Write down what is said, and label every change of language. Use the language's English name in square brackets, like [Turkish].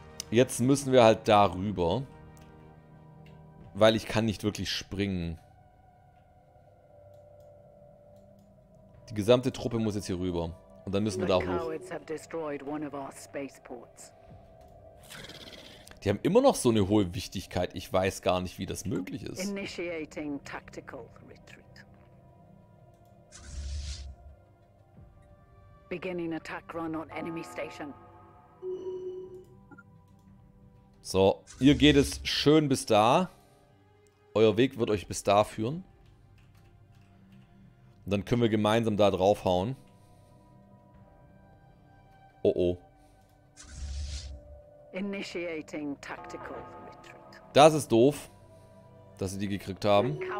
[German] Jetzt müssen wir halt darüber, weil ich kann nicht wirklich springen. Die gesamte Truppe muss jetzt hier rüber. Und dann müssen wir da hoch. Die haben immer noch so eine hohe Wichtigkeit. Ich weiß gar nicht, wie das möglich ist. [English] Initiating tactical retreat. Beginning attack run on enemy station. [German] So, ihr geht es schön bis da. Euer Weg wird euch bis da führen. Und dann können wir gemeinsam da draufhauen. Oh oh. [English] Initiating tactical retreat. [German] Das ist doof, dass sie die gekriegt haben.